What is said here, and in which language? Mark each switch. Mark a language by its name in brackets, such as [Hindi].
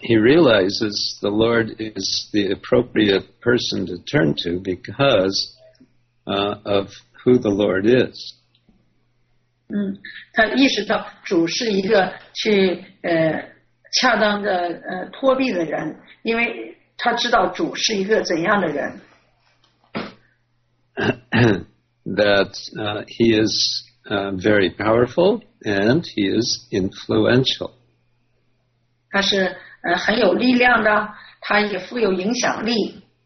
[English] he realizes the Lord is the appropriate person to turn to because of who the Lord is. [Chinese] 他意识到主是一个去恰当的托庇的人，因为。他知道主是一个怎样的人。 [English] That he is very powerful and he is influential. [Chinese] 他是很有力量的，他也富有影响力。